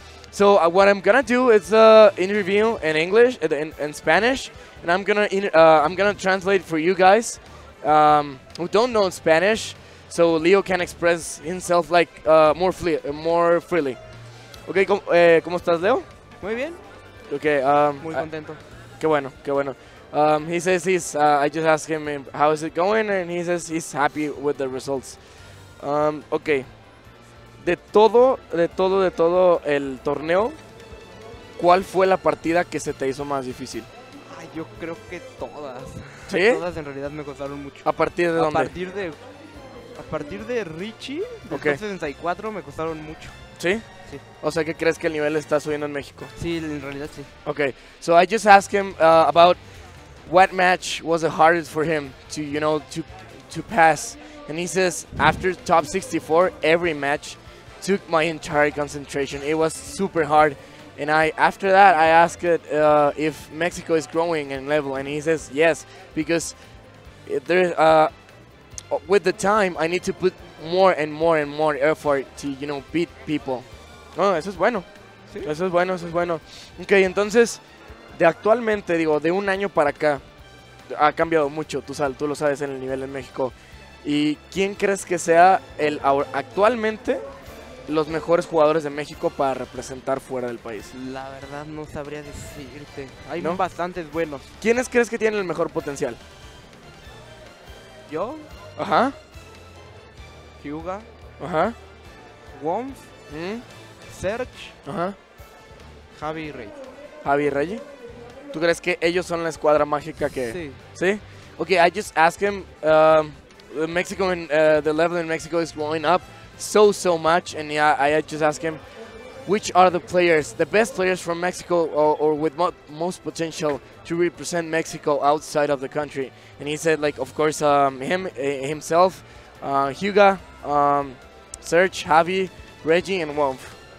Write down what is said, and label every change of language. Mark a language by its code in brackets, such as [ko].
[en] So what I'm gonna do is interview in English and in Spanish, and I'm gonna translate for you guys who don't know Spanish, so Leo can express himself like more freely. [es] Okay, ¿cómo estás, Leo? Muy bien. [en] Okay. [es] Muy contento. Qué bueno. [en] He says he's. I just asked him how is it going, and he says he's happy with the results. Okay. [es] De todo el torneo, ¿cuál fue la partida que se te hizo más difícil? Ay, yo creo que todas. ¿Sí? Todas en realidad me costaron mucho. ¿A partir de dónde? A partir de Richie, okay. Del 64, me costaron mucho. ¿Sí? Sí. O sea, ¿que crees que el nivel está subiendo en México? Sí, en realidad sí. [en] Okay. So I just asked him about what match was the hardest for him to, you know, to pass. And he says, after top 64, every match took my entire concentration. It was super hard. And after that, I asked it if Mexico is growing in level. And he says, yes, because with the time, I need to put more and more and more effort to, you know, beat people. [es] Oh, eso es bueno. ¿Sí? Eso es bueno. Okay, entonces, de actualmente, digo, de un año para acá, ha cambiado mucho, tú lo sabes, en el nivel en México. ¿Y quién crees que sea el actualmente los mejores jugadores de México para representar fuera del país? La verdad no sabría decirte. Hay, ¿no?, bastantes buenos. ¿Quiénes crees que tienen el mejor potencial? ¿Yo? Ajá. Hyuga. Ajá. Womf. ¿Mm? Serge. Ajá. Javi y Rey. ¿Javi y Rey? ¿Tú crees que ellos son la escuadra mágica que...? Sí. [en] ¿Sí? Ok, I just ask him... Mexico and the level in Mexico is going up so much, and yeah, I just ask him, which are the players, the best players from Mexico or with most potential to represent Mexico outside of the country? And he said, like, of course, himself, Hyuga, Serge, Javi, Reggie, and Wolf.